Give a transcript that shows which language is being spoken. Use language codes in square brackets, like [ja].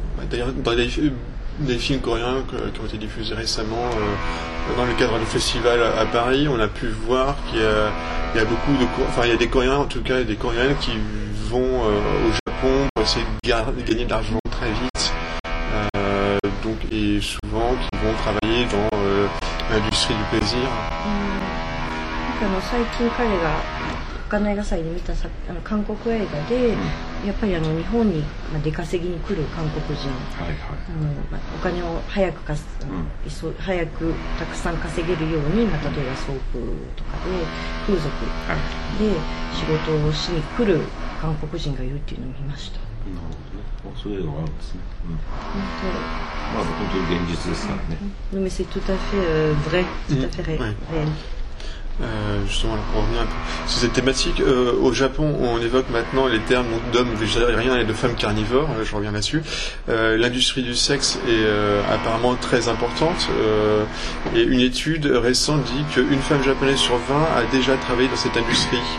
[fr] D'ailleurs, dans les films coréens qui ont été diffusés récemment dans le cadre du festival à Paris, on a pu voir qu'il y a beaucoup de... Enfin, il y a des Coréens, en tout cas, des Coréennes qui vont au Japon pour essayer de gagner de l'argent très vite. Donc, et souvent, qui vont travailler dans l'industrie du plaisir. [ja] あの最近彼が他の映画祭で見たあの韓国映画で、うん、やっぱりあの日本に出稼ぎに来る韓国人、はいはい、あのお金を早く稼、うん、早くたくさん稼げるように、まあ、例えばソープとかで風俗で仕事をしに来る韓国人がいるっていうのを見ました。なるほどね、そういうのがあるんですね、うん、まあ、本当に現実ですからね、うん、でも [fr] c'est tout à fait vrai, tout à fait réel。 Justement, pour revenir un peu sur cette thématique, au Japon, on évoque maintenant les termes d'hommes végétariens et de femmes carnivores, je reviens là-dessus. L'industrie du sexe est apparemment très importante, et une étude récente dit qu'une femme japonaise sur 20 a déjà travaillé dans cette industrie.